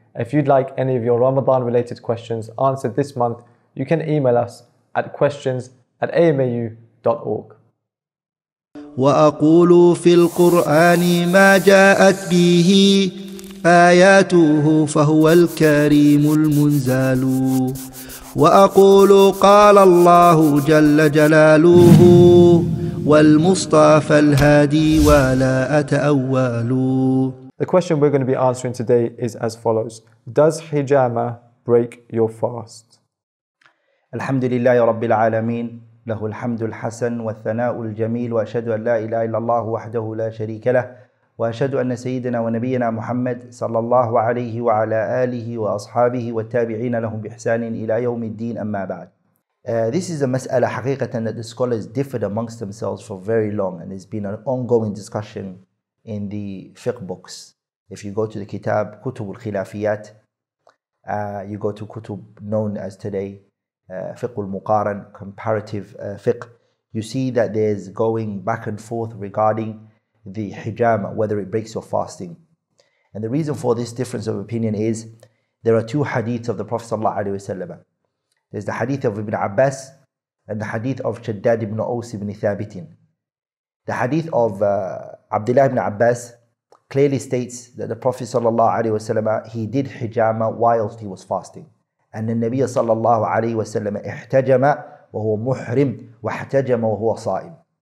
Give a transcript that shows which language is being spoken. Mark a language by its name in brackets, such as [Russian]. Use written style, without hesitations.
[English] If you'd like any of your Ramadan related questions answered this month, you can email us at questions@amau.org. [Arabic] وأقول في القرآن ما جاءت به آياته فهو الكريم المنزال. وأقول قال الله جل جلاله والمصطفى الهادي ولا أتأول. [English] The question we're going to be answering today is as follows. Does hijama break your fast? [Arabic] الحمد لله رب العالمين له الحمد الحسن والثناء الجميل وأشهد أن لا إله إلا الله وحده لا شريك له وأشهد أن سيدنا ونبينا محمد صلى الله عليه وعلى آله وأصحابه والتابعين لهم بإحسان إلى يوم الدين أما بعد. [English] This is a [Arabic] مسألة حقيقة [English] that the scholars differed amongst themselves for very long, and it's been an ongoing discussion in the fiqh books. If you go to the [Arabic] كتاب كتب الخلافيات, [English] you go to كتب known as today [Arabic] فقه المقارن, [English] comparative fiqh, you see that there's going back and forth regarding the hijama, whether it breaks your fasting. And the reason for this difference of opinion is there are two hadiths of the Prophet sallallahu alaihi wasallam. There's the hadith of Ibn Abbas and the hadith of Shaddad ibn Aws ibn Thabitin. The hadith of Abdullah ibn Abbas clearly states that the Prophet sallallahu alaihi wasallam, he did hijama whilst he was fasting. [Arabic] أن النبي صلى الله عليه وسلم احتجم وهو محرم واحتجم وهو صائم.